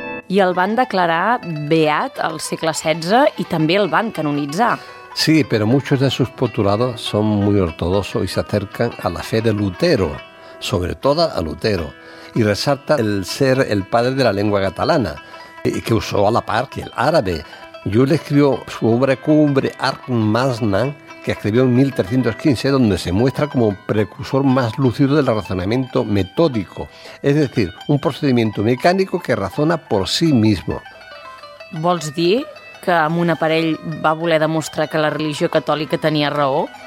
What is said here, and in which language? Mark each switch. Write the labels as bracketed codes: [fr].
[ca] I el van declarar beat al segle XVI i també el van canonitzar. [es] Sí, pero muchos de sus postulados son muy ortodoxos y se acercan a la fe de Lutero, sobre todo a Lutero, y resalta el ser el padre de la lengua catalana, y que usó a la par que el árabe. Llull escribió su obra cumbre Arcum Magnam, que escribió en 1315, donde se muestra como precursor más lúcido del razonamiento metódico, es decir, un procedimiento mecánico que razona por sí mismo. [ca] ¿Vols dir que amb un aparell va voler demostrar que la religió catòlica tenia raó?